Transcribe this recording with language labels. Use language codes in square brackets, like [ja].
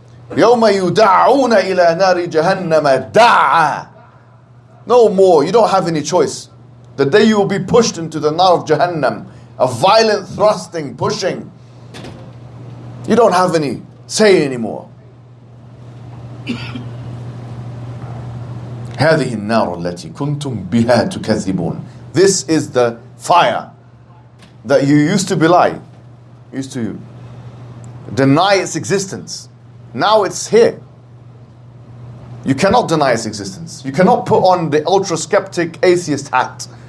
[ar] Yawma yuda'un ila nari jahannama da'a. [en] No more. You don't have any choice. The day you will be pushed into the nar of Jahannam, a violent thrusting, pushing. You don't have any say anymore. [ar] هذه النار التي كنتم بها تكذبون. [en] This is the fire that you used to belie, used to deny its existence. Now it's here. You cannot deny its existence. You cannot put on the ultra-skeptic atheist hat.